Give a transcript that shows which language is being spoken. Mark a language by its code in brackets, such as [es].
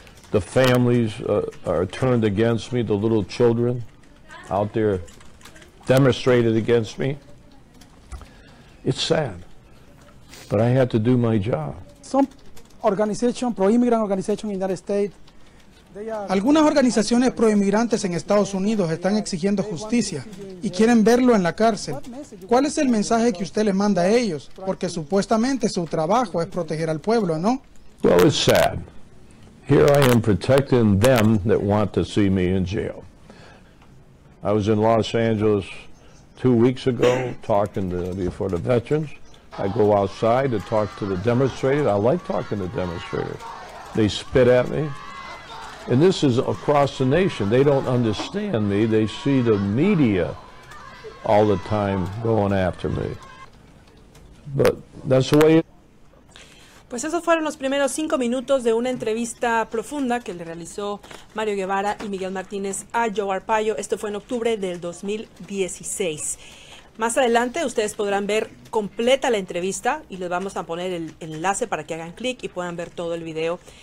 [en] The families are turned against me, the little children out there demonstrated against me. It's sad, but I had to do my job. Some organization, pro-immigrant organization in the United States. [es] Algunas organizaciones pro-inmigrantes en Estados Unidos están exigiendo justicia y quieren verlo en la cárcel. ¿Cuál es el mensaje que usted les manda a ellos? Porque supuestamente su trabajo es proteger al pueblo, ¿no? [en] Well, it's sad. Here I am protecting them that want to see me in jail. I was in Los Angeles 2 weeks ago talking to, before the veterans. I go outside to talk to the demonstrators. I like talking to demonstrators. They spit at me. And this is across the nation. They don't understand me. They see the media all the time going after me. But that's the way it is. [es] Pues esos fueron los primeros 5 minutos de una entrevista profunda que le realizó Mario Guevara y Miguel Martínez a Joe Arpaio. Esto fue en octubre del 2016. Más adelante ustedes podrán ver completa la entrevista y les vamos a poner el enlace para que hagan clic y puedan ver todo el video.